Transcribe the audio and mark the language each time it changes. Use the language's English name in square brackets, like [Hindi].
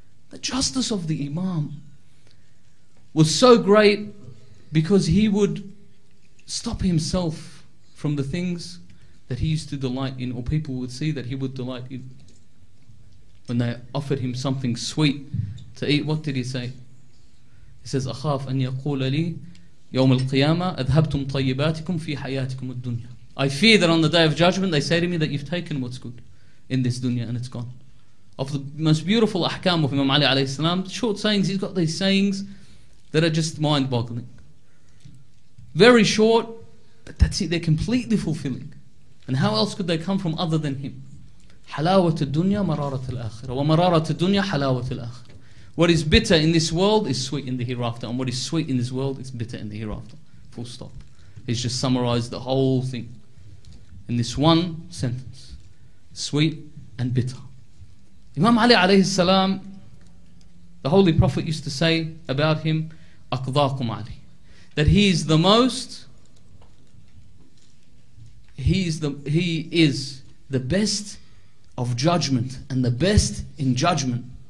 [English] The justice of the Imam was so great because he would stop himself from the things that he used to delight in, or people would see that he would delight in. When they offered him something sweet to eat, what did he say? He says, [Arabic] أخاف أن يقول لي يوم القيامة أذهبتم طيباتكم في حياتكم الدنيا. [English] I fear that on the day of judgment they say to me that you've taken what's good in this dunya and it's gone. Of the most beautiful ahkam of Imam Ali alayhi salam, short sayings, he's got these sayings that are just mind-boggling. Very short, but that's it, they're completely fulfilling. And how else could they come from other than him? [Arabic] حلاوت الدنيا مرارة الآخرة ومرارة الدنيا حلاوة الآخرة. [English] What is bitter in this world is sweet in the hereafter, and what is sweet in this world is bitter in the hereafter. Full stop. He's just summarized the whole thing in this one sentence. Sweet and bitter. Imam Ali عليه السلام, the Holy Prophet used to say about him, [Arabic] أقضاكم علي, [English] that he is the most, he is the best of judgment and the best in judgment.